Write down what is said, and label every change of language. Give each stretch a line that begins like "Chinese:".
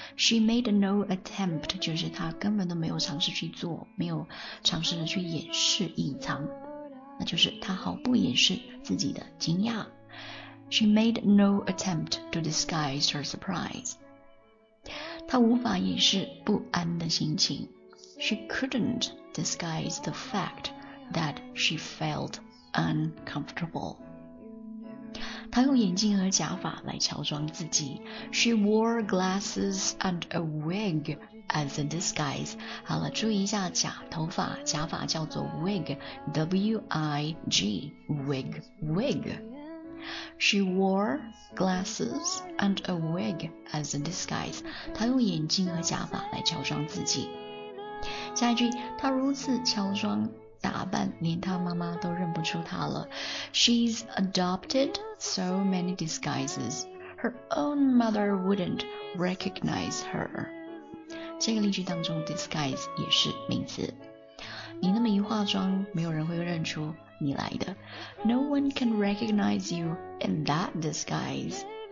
English: She made no attempt,
Chinese: 就是她根本都没有尝试去做，没有尝试着去掩饰、隐藏。那就是她毫不掩饰自己的惊讶。
English: She made no attempt to disguise her surprise.
Chinese: 她无法掩饰不安的心情。
English: She couldn't disguise the fact that she felt uncomfortable.
Chinese: 她用眼镜和假发来乔装自己。
English: She wore glasses and a wig as a disguise.
Chinese: 好了，注意一下假头发，假发叫做 wig, W-I-G, wig, wig.
English: She wore glasses and a wig as a disguise.
Chinese: 她用眼镜和假发来乔装自己。下一句，她如此乔装打扮，连她妈妈都认不出她了。
English: She's adopted so many disguises, her own mother wouldn't recognize her.
Chinese: 这个例句当中 ，disguise 也是名词。你那么一化妆，没有人会认出你来的。
English: No one can recognize you in that disguise.